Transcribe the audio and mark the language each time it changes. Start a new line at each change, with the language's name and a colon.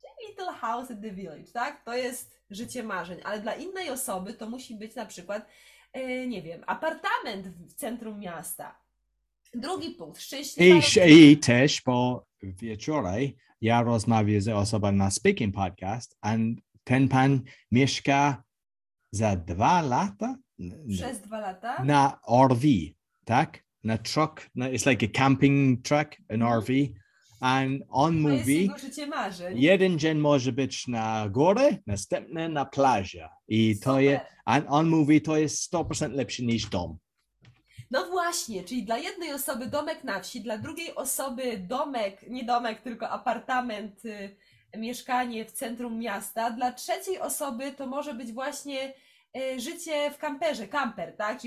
English: Little house in the village,
Polish: tak? To jest życie marzeń. Ale dla innej osoby to musi być na przykład, nie wiem, apartament w centrum miasta. Drugi punkt, szczęśliwa. I też po wieczorej. Ja rozmawiam z osobą na Speaking Podcast and ten pan mieszka za 2 lata? Przez 2 lata? Na RV, tak?
English: Na truck, it's like a camping truck, an RV.
Polish: And on to mówi, jest jego życie marzeń. Jeden dzień może być na górę, następny na plażę. I to je, and on mówi, to jest 100% lepszy niż dom. No właśnie, czyli dla jednej osoby domek na wsi, dla drugiej osoby domek, nie domek, tylko apartament, mieszkanie w centrum miasta, dla trzeciej osoby to może być właśnie życie w kamperze, kamper, tak?